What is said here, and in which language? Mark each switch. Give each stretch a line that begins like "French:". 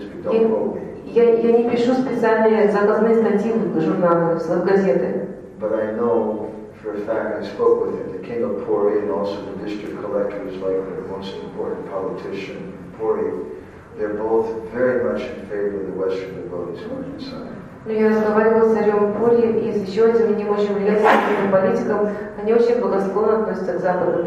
Russian: Я не пишу специальные заказные статьи в журналы, в газеты.
English: But I know for a fact I spoke with him. The king of Puri and also the district collector is like the most important politician in Puri. They're both very much in favor of the Western devotees going inside.
Russian: Но я разговаривал с царем Пури и с еще одним не очень влиятельным политиком. Они очень благосклонно относятся к западным